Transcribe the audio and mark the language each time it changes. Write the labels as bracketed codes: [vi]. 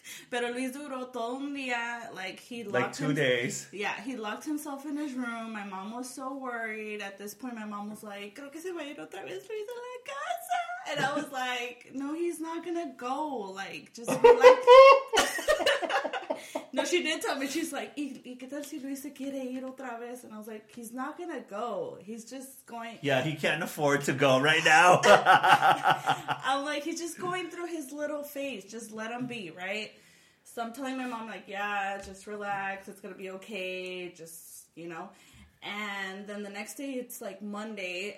[es] Pero Luis duró todo un día, [en] like, he locked like 2 days. Yeah, he locked himself in his room. My mom was so worried. At this point, my mom was like, [es] creo que se va a ir otra vez Luis a la casa. [en] And I was like, no, he's not gonna go. Like, just be like... No, she did tell me. She's like, [es] ¿y qué tal si Luis se quiere ir otra vez? [en] And I was like, he's not gonna go. He's just going... Yeah, he can't afford to go right now. I'm like, he's just going through his little phase. Just let him be, right? So I'm telling my mom, like, yeah, just relax. It's going to be okay. Just, you know. And then the next day, it's like Monday.